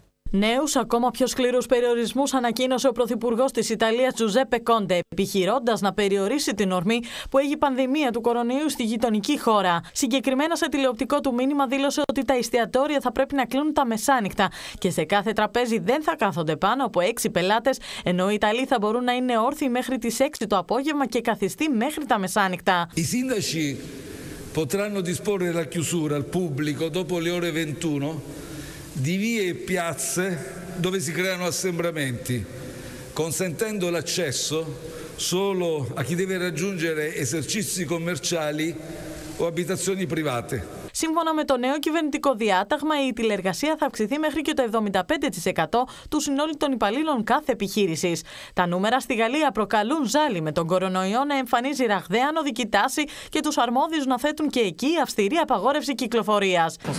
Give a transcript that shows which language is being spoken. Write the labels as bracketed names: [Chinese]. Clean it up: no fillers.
[Greek] Νέους ακόμα πιο σκληρούς περιορισμούς ανακοίνωσε ο Πρωθυπουργός της Ιταλίας Τζουζέπε Κόντε, επιχειρώντας να περιορίσει την ορμή που έχει η πανδημία του κορονοϊού στη γειτονική χώρα. Συγκεκριμένα σε τηλεοπτικό του μήνυμα δήλωσε ότι τα εστιατόρια θα πρέπει να κλείνουν τα μεσάνυχτα και σε κάθε τραπέζι δεν θα κάθονται πάνω από 6 πελάτες, ενώ οι Ιταλοί θα μπορούν να είναι όρθιοι μέχρι τις 6 το απόγευμα και καθιστεί μέχρι τα μεσάνυχτα. Οι σύνταξοι [Italian] potranno disporre la chiusura al pubblico dopo le ore 21. Di vie e piazze dove si creano assembramenti, consentendo l'accesso solo a chi deve raggiungere esercizi commerciali o abitazioni private. [Greek] Σύμφωνα με το νέο κυβερνητικό διάταγμα, η τηλεργασία θα αυξηθεί μέχρι και το 75% του συνόλου των υπαλλήλων κάθε επιχείρησης. Τα νούμερα στη Γαλλία προκαλούν ζάλη, με τον κορονοϊό να εμφανίζει ραγδαία ανωδική τάση και τους αρμόδιους να θέτουν και εκεί αυστηρή απαγόρευση κυκλοφορίας.